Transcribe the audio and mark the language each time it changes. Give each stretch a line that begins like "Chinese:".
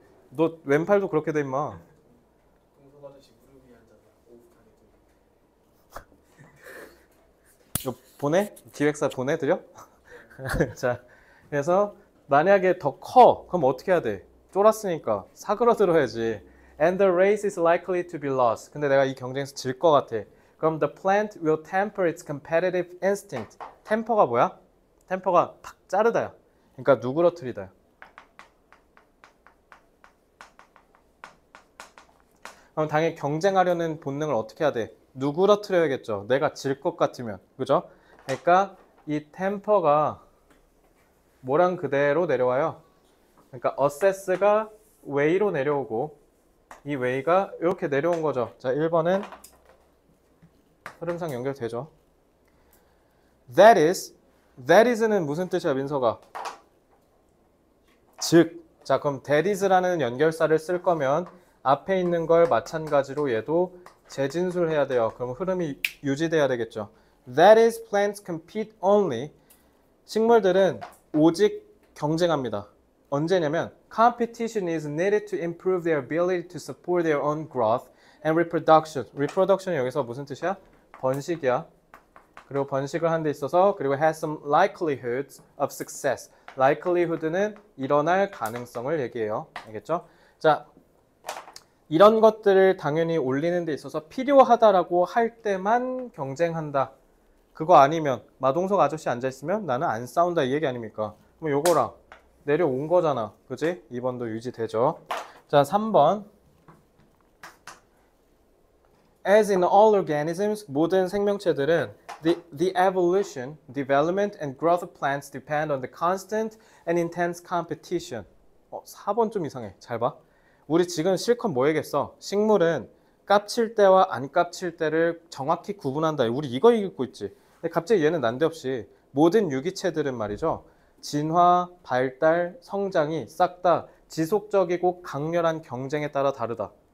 Korean: 너 왼팔도 그렇게 돼 임마. 보내? 기획사 보내드려? 자, 그래서 만약에 더 커, 그럼 어떻게 해야 돼? 쫄았으니까 사그러들어야지.
English: And the race is likely to be lost.
Korean: 근데 내가 이 경쟁에서 질것 같아. 그럼
English: the plant will temper its competitive instinct.
Korean: 템퍼가 뭐야? 템퍼가 탁 자르다야. 그러니까 누그러뜨리다야. 그럼 당연히 경쟁하려는 본능을 어떻게 해야 돼? 누그러뜨려야겠죠. 내가 질것 같으면. 그죠? 그러니까 이 템퍼가 모량 그대로 내려와요. 그러니까 어세스가 웨이로 내려오고 이 웨이가 이렇게 내려온 거죠. 자, 1번은 흐름상 연결되죠. That is는 무슨 뜻이야, 민서가? 즉, 자, 그럼 that is라는 연결사를 쓸 거면 앞에 있는 걸 마찬가지로 얘도 재진술해야 돼요. 그럼 흐름이 유지돼야 되겠죠.
English: That is, plants compete only.
Korean: 식물들은 오직 경쟁합니다. 언제냐면,
English: competition is needed to improve their ability to support their own growth and reproduction.
Korean: Reproduction 여기서 무슨 뜻이야? 번식이야. 그리고 번식을 한데 있어서, 그리고
English: has some likelihoods of success.
Korean: likelihood는 일어날 가능성을 얘기해요. 알겠죠? 자, 이런 것들을 당연히 올리는 데 있어서 필요하다라고 할 때만 경쟁한다. 그거 아니면, 마동석 아저씨 앉아있으면 나는 안 싸운다 이 얘기 아닙니까? 그럼 요거랑 내려온 거잖아. 그지? 2번도 유지되죠. 자, 3번.
English: As in all organisms,
Korean: 모든 생명체들은
English: the evolution, development, and growth of plants depend on the constant and intense competition.
Korean: 4번 좀 이상해. 잘 봐. 우리 지금 실컷 뭐 얘기했어? 식물은 깝칠 때와 안 깝칠 때를 정확히 구분한다. 우리 이거 읽고 있지. 근데 갑자기 얘는 난데없이 모든 유기체들은 말이죠. 진화, 발달, 성장이 싹다 지속적이고 강렬한 경쟁에 따라 다르다.